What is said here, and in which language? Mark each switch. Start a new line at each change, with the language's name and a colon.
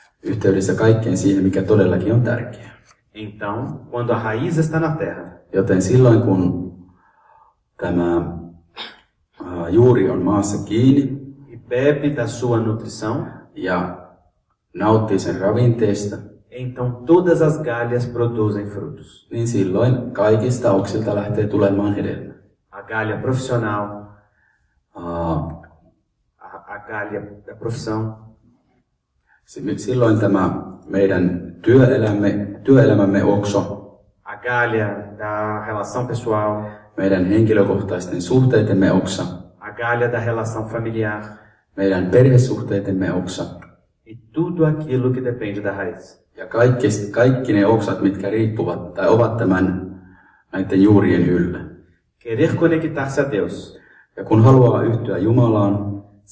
Finnish: Yhteydessä kaikkeen siihen, mikä todellakin on tärkeä.
Portuguese: Então, quando a raiz está na terra.
Finnish: Joten silloin, kun tämä juuri on maassa kiinni.
Portuguese: E bebe da sua nutrição.
Finnish: Ja nauttii sen ravinteesta.
Portuguese: Então todas as galhas produzem frutos.
Finnish: Niin silloin kaikista oksilta lähtee tulemaan hedelmä.
Portuguese: A galha profissional. A galha da profissão.
Finnish: Silloin tämä meidän työelämämme okso.
Portuguese: A galha da relação pessoal.
Finnish: Meidän henkilökohtaisten suhteidemme oksa.
Portuguese: A galha da relação familiar.
Finnish: Meidän perhesuhteidemme oksa.
Portuguese: E tudo aquilo que depende da raiz.
Finnish: Ja kaikki ne oksat, mitkä riippuvat tai ovat tämän näiden juurien yllä.
Portuguese: Querer conectar-se a Deus.
Finnish: Ja kun haluaa yhtyä Jumalaan.